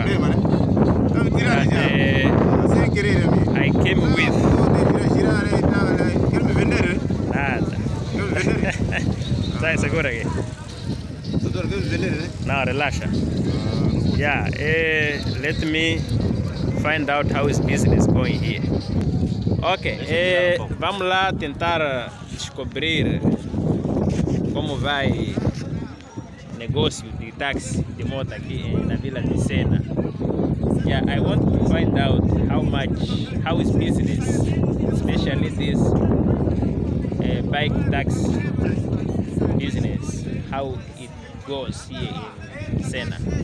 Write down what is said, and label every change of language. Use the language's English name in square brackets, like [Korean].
[English] I came with. No, relax. Yeah, let me find out how is business going here. [Portuguese] Okay, vamos lá tentar descobrir como vai negócio de táxi de moto aqui na Vila de Sena. [English] Yeah, I want to find out how is business, especially this bike taxi business, how it goes here in Sena.